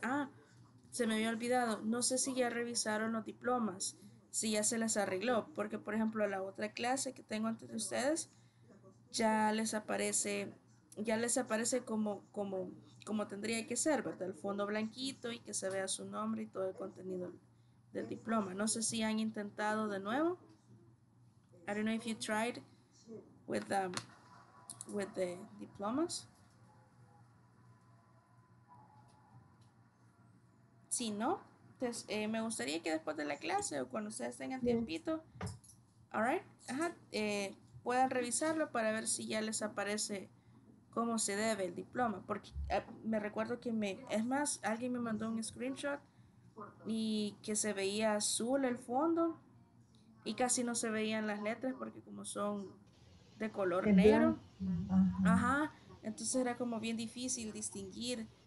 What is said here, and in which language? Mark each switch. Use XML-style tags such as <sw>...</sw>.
<es>Ah, se me había olvidado. No sé si ya revisaron los diplomas, si ya se les arregló, porque por ejemplo la otra clase que tengo antes de ustedes ya les aparece como tendría que ser, ¿verdad? El fondo blanquito y que se vea su nombre y todo el contenido del diploma. No sé si han intentado de nuevo.</es> <en>I don't know if you tried with the diplomas.</en> <es>Si no, entonces me gustaría que después de la clase o cuando ustedes tengan tiempito,</es> <en>all right,</en> <es>ajá, puedan revisarlo para ver si ya les aparece cómo se debe el diploma, porque me recuerdo que alguien me mandó un screenshot y que se veía azul el fondo y casi no se veían las letras porque como son de color negro, ajá, entonces era como bien difícil distinguir.</es>